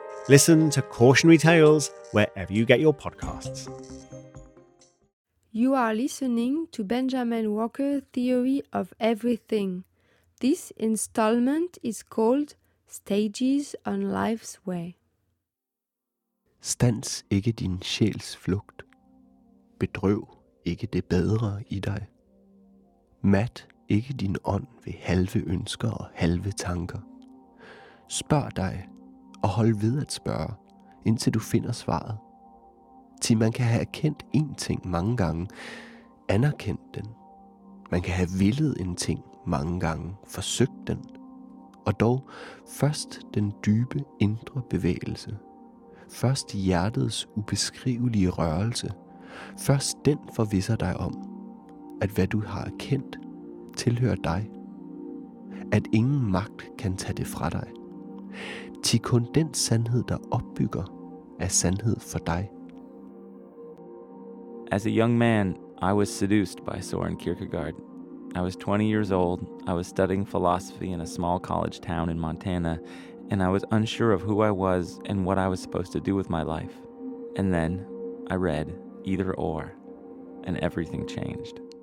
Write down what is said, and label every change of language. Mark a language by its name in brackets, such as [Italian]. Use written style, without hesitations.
[English] Listen to Cautionary Tales wherever you get your podcasts. You are listening to Benjamin Walker's Theory of Everything. This installment is called Stages on Life's Way. [Danish] Stands ikke din sjæls flugt. Bedrøv ikke det bedre i dig. Mat ikke din ånd ved halve ønsker og halve tanker. Spørg dig og hold ved at spørge, indtil du finder svaret. Til man kan have erkendt en ting mange gange, anerkendt den. Man kan have villet en ting mange gange, forsøgt den. Og dog først den dybe indre bevægelse. Først hjertets ubeskrivelige rørelse. Først den forvisser dig om, at hvad du har erkendt, tilhører dig. At ingen magt kan tage det fra dig. Til kun den sandhed, der opbygger, er sandhed for dig. [English] As a young man, I was seduced by Soren Kierkegaard. I was 20 years old, I was studying philosophy in a small college town in Montana, and I was unsure of who I was and what I was supposed to do with my life. And then I read Either Or, and everything changed.